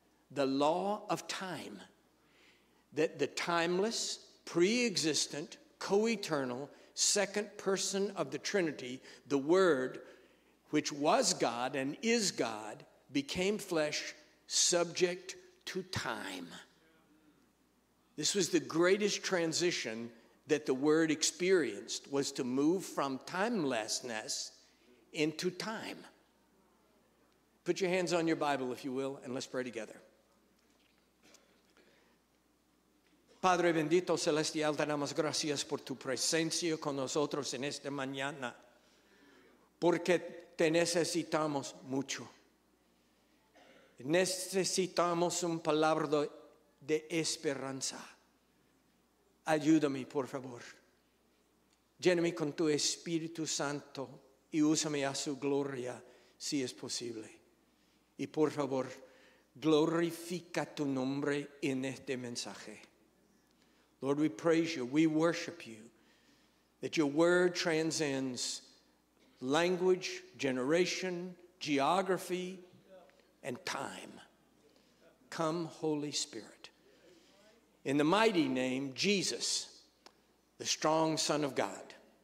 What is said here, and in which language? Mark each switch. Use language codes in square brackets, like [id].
[en] The law of time, that the timeless, pre-existent, co-eternal, second person of the Trinity, the Word, which was God and is God, became flesh, subject to time. This was the greatest transition that the Word experienced, was to move from timelessness into time. Put your hands on your Bible, if you will, and let's pray together. [es] Padre bendito celestial, te damos gracias por tu presencia con nosotros en esta mañana, porque te necesitamos mucho. Necesitamos un palabra de esperanza. Ayúdame, por favor. Lléname con tu Espíritu Santo y úsame a su gloria si es posible. Y por favor, glorifica tu nombre en este mensaje. [en] Lord, we praise you, we worship you, that your word transcends language, generation, geography, and time. Come, Holy Spirit. In the mighty name, Jesus, the strong Son of God.